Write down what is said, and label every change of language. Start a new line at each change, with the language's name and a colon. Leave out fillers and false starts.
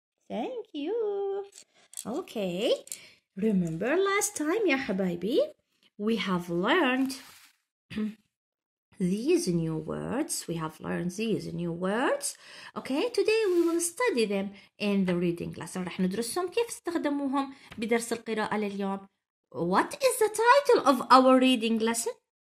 English: Thank you. Okay, remember last time,
Arabic: ya habibi?
English: We have learned these new words. Okay, today we will study them in the reading lesson.
Arabic: رح ندرسهم كيف استخدموهم بدرس القراءة لليوم.
English: What is the title of our reading lesson?